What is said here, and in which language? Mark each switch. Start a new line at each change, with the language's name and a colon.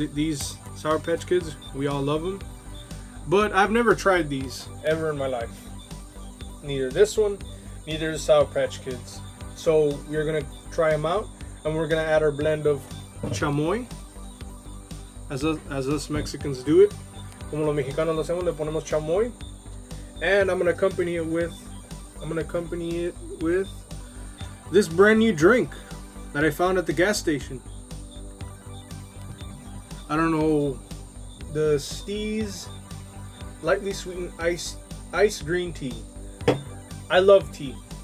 English: These Sour Patch Kids, we all love them, but I've never tried these ever in my life. Neither this one, neither the Sour Patch Kids. So we're going to try them out, and we're going to add our blend of chamoy, as us Mexicans do it.
Spanish: Como los mexicanos lo hacemos, le ponemos chamoy.
English: And I'm gonna accompany it with this brand new drink that I found at the gas station. I don't know, the Steez lightly sweetened ice green tea. I love tea.